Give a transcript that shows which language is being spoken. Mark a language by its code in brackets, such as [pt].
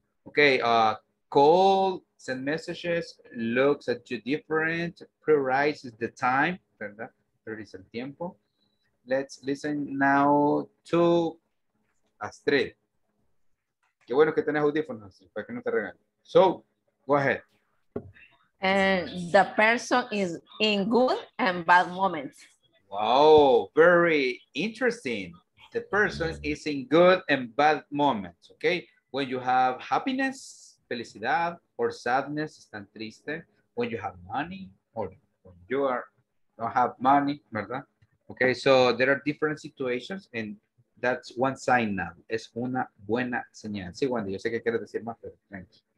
[en] Okay, call, send messages, looks at you different, priorizes the time, ¿verdad? Priorizes el tiempo. Let's listen now to Astrid. [es] Qué bueno que tenés audífonos, para que no te regalen. [en] So, go ahead. The person is in good and bad moments. Wow, very interesting. The person is in good and bad moments, okay? When you have happiness, felicidad, or sadness, [es] están triste. [en] When you have money, or when you don't have money, ¿verdad? Okay, so there are different situations, and that's one sign now. [es] Es una buena señal. Sí, Wendy, yo sé que quieres decir más, pero thanks.